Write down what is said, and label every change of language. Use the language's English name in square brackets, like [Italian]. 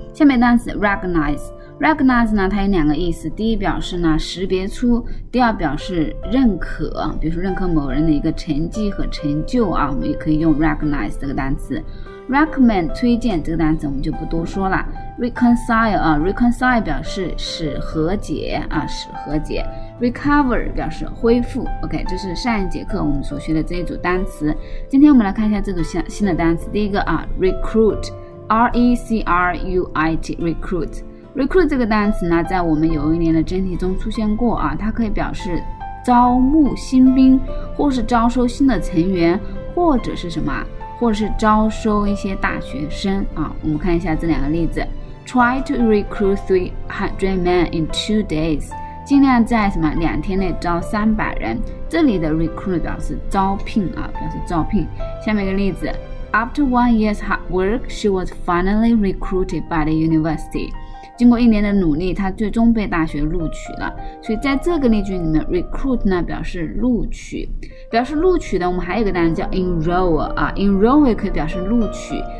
[Chinese] 下面单词 recognize 呢，它有两个意思，第一表示呢识别出，第二表示认可，比如说认可某人的一个成绩和成就我们也可以用 recognize 这个单词。 recommend 推荐这个单词我们就不多说了。reconcile reconcile 表示使和解使和解。 recover 表示恢复。OK， 这是上一节课我们所学的这一组单词。今天我们来看一下这组新的单词。第一个recruit， recruit， recruit。 recruit 这个单词呢，在我们有一年的真题中出现过它可以表示招募新兵，或是招收新的成员，或者是什么？或是招收一些大学生我们看一下这两个例子。 [English] try to recruit 300 men in 2 days， [Chinese] 尽量在什么两天内招300人。这里的 recruit 表示招聘表示招聘。下面一个例子， [English] after 1 year's hard work she was finally recruited by the university， [Chinese] 经过一年的努力她最终被大学录取了。所以在这个例句里面 recruit 呢表示录取，表示录取的我们还有一个单词叫 enroll enroll 也可以表示录取。